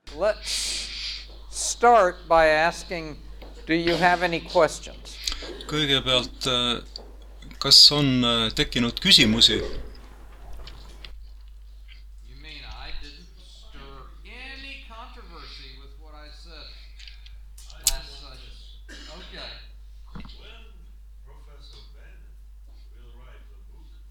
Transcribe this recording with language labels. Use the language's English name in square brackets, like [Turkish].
[English] Let's start by asking, do you have any questions? [Estonian] Kõigepealt, kas on tekkinud küsimusi? [English] You mean I didn't stir any controversy with what I said last session? Okay. When Professor Ben will write the book,